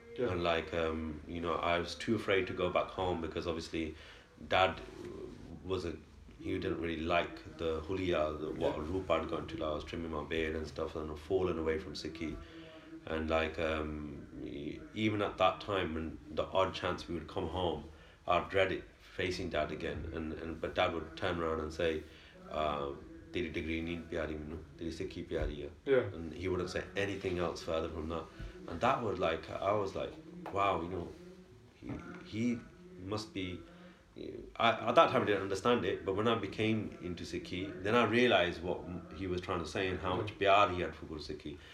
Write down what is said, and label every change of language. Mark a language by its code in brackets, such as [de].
[en] And like, you know, I was too afraid to go back home, because obviously... Dad wasn't he didn't really like the huliya, what rupa I'd gone to. Like, I was trimming my beard and stuff, and I'm falling away from Sikhi. And like, even at that time, when the odd chance we would come home, I'd dread it facing dad again. And but dad would turn around and say, [pa] "ਤੇਰੇ degree ਨਹੀਂ ਪਿਆਰੀ ਮੈਨੂ, ਤੇਰੇ ਸਿੱਖੀ ਪਿਆਰੀ ਹੈ।" [en] Yeah. And he wouldn't say anything else further from that. And that was like, I was like, wow, you know, he must be. At that time I didn't understand it, but when I became into Sikhi, then I realized what he was trying to say and how much pyar he had for Guru Sikhi.